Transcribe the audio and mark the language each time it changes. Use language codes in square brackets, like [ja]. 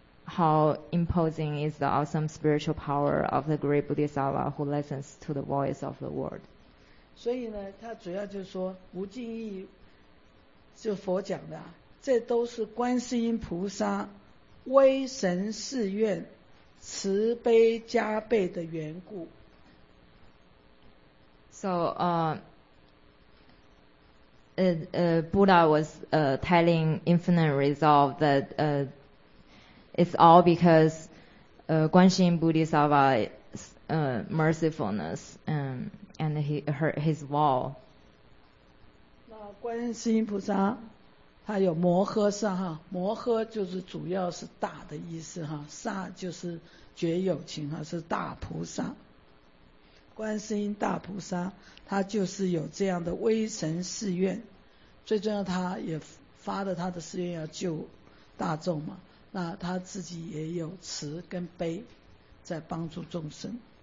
[en] How imposing is the awesome spiritual power of the great Bodhisattva who listens to the voice of the world. [zh] 所以呢，他主要就是说无尽意，就佛讲的，这都是观世音菩萨威神誓愿慈悲加倍的缘故。 [en] So Buddha was telling Infinite Resolve that it's all because Guanxin Bodhisattva's mercifulness and his vow. [zh] 那观世音菩萨他有摩诃萨哈，摩诃就是主要是大的意思哈，萨就是觉有情哈，是大菩萨。观世音大菩萨他就是有这样的威神誓愿，最重要他也发了他的誓愿要救大众嘛，那他自己也有慈跟悲在帮助众生。